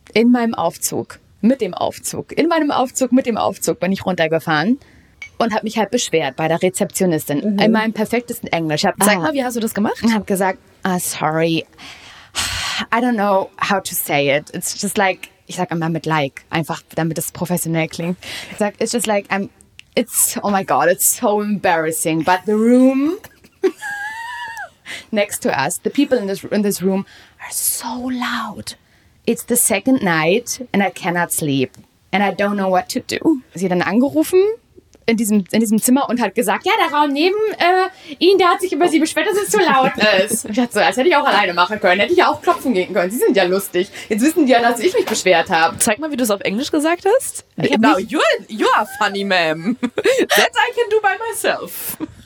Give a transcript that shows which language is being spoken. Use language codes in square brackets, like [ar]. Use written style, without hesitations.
[de] In meinem Aufzug, mit dem Aufzug, in meinem Aufzug, mit dem Aufzug bin ich runtergefahren und habe mich halt beschwert bei der Rezeptionistin. Mhm. In meinem perfektesten Englisch. Sag mal, wie hast du das gemacht? Ich habe gesagt, [en] sorry, I don't know how to say it. It's just like, [de] ich sage immer mit like, einfach damit es professionell klingt. Ich sage, [en] it's just like, oh my God, it's so embarrassing, but the room next to us, the people in this room are so loud. It's the second night and I cannot sleep and I don't know what to do. [de] Sie hat dann angerufen in diesem Zimmer und hat gesagt, ja, der Raum neben Ihnen, der hat sich über Sie beschwert, dass es zu laut ist. Ich dachte so, das hätte ich auch alleine machen können, hätte ich auch klopfen gehen können. Sie sind ja lustig. Jetzt wissen die ja, dass ich mich beschwert habe. Zeig mal, wie du es auf Englisch gesagt hast. [en] Now you are funny, ma'am. That I can do by myself.